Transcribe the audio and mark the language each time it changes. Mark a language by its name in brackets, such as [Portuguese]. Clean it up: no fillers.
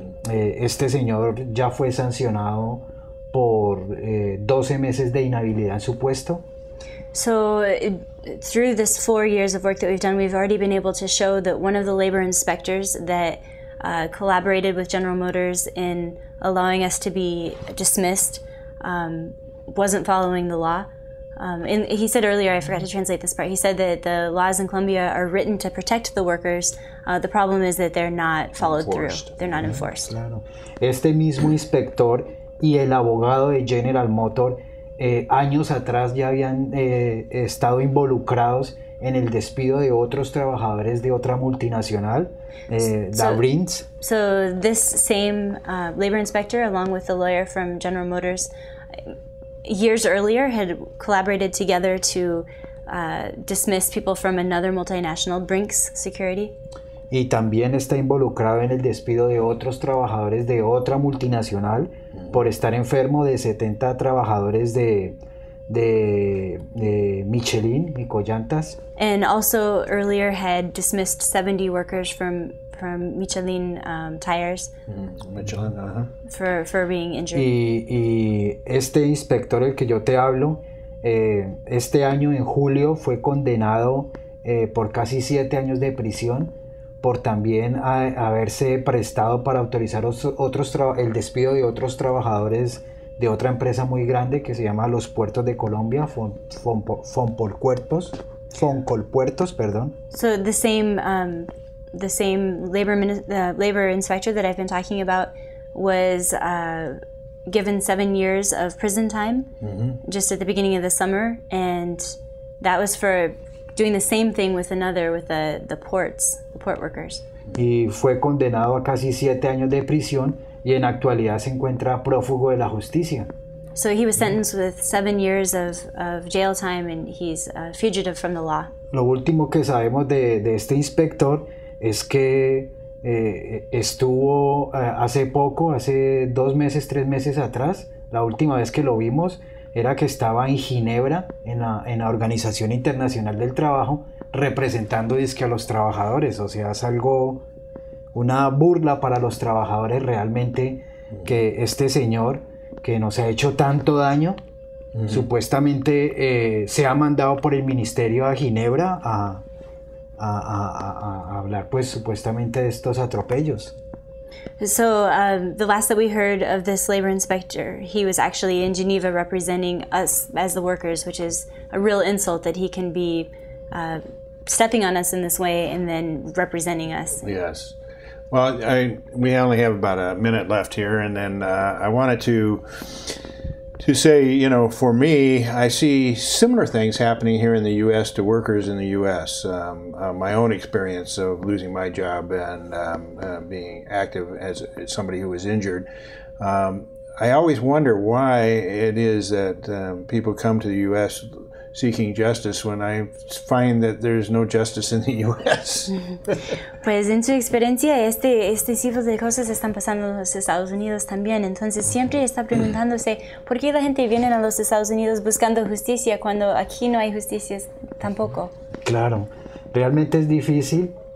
[Spanish] Este señor ya fue sancionado por 12 meses de inhabilidad en su puesto. [English] So, through this 4 years of work that we've done, we've already been able to show that one of the labor inspectors that collaborated with General Motors in allowing us to be dismissed wasn't following the law. And he said earlier, I forgot to translate this part, he said that the laws in Colombia are written to protect the workers. The problem is that they're not followed through, Enforced. they're not Mm-hmm. enforced. [Spanish] Claro. Este mismo inspector y el abogado de General Motors años atrás ya habían estado involucrados en el despido de otros trabajadores de otra multinacional, [English] So, Labrinth. this same labor inspector, along with the lawyer from General Motors, years earlier had collaborated together to dismiss people from another multinational, Brinks Security. [Spanish] Y también está involucrado en el despido de otros trabajadores de otra multinacional por estar enfermo de 70 trabajadores de Michelin y Collantas. [English] And also earlier had dismissed 70 workers from Michelin tires [Spanish] Michelin, ajá. [English] for being injured. [Spanish] Y este inspector, el que yo te hablo, este año en julio fue condenado por casi 7 años de prisión por también haberse prestado para autorizar el despido de otros trabajadores de otra empresa muy grande que se llama Los Puertos de Colombia, Foncolpuertos, perdón. [English] So the same labor inspector that I've been talking about was given 7 years of prison time just at the beginning of the summer, and that was for doing the same thing with another, with the port workers. [Spanish] Y fue condenado a casi 7 años de prisión y en actualidad se encuentra prófugo de la justicia. [English] So he was sentenced with 7 years of jail time, and he's a fugitive from the law. [Spanish] Lo último que sabemos de este inspector es que estuvo hace poco, hace 2 meses, 3 meses atrás, la última vez que lo vimos era que estaba en Ginebra, en la Organización Internacional del Trabajo, representando dizque a los trabajadores. O sea, es algo, una burla para los trabajadores realmente que este señor, que nos ha hecho tanto daño, supuestamente se ha mandado por el ministerio a Ginebra a hablar, pues, supuestamente de estos atropellos. [English] So the last that we heard of this labor inspector, he was actually in Geneva representing us as the workers, which is a real insult that he can be stepping on us in this way and then representing us. Yes. Well, we only have about a minute left here, and then I wanted to say, for me, I see similar things happening here in the U.S. to workers in the U.S. My own experience of losing my job and being active as somebody who was injured. I always wonder why it is that people come to the U.S. seeking justice when I find that there's no justice in the U.S. [Spanish] Pues en su experiencia, este tipo de cosas están pasando en los Estados Unidos también. Entonces siempre está preguntándose por qué la gente viene a los Estados Unidos buscando justicia cuando aquí no hay justicia tampoco. Claro, realmente es difícil.